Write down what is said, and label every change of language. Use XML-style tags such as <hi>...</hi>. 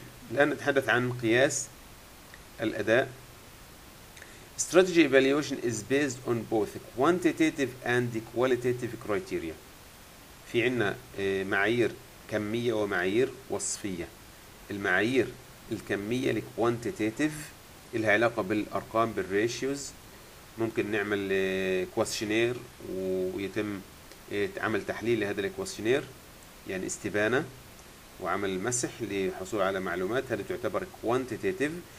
<ar>الآن نتحدث عن قياس الأداء.</ar> <en>Strategy evaluation is based on both quantitative and qualitative criteria.</en> <ar>في عنا معايير كمية ومعايير وصفية. المعايير الكمية quantitative لها علاقة بالأرقام بالratios، ممكن نعمل questionnaire ويتم عمل تحليل لهذا الكويستشنير، يعني استبانة وعمل مسح لحصول على معلومات، هذه تعتبر quantitative.</ar>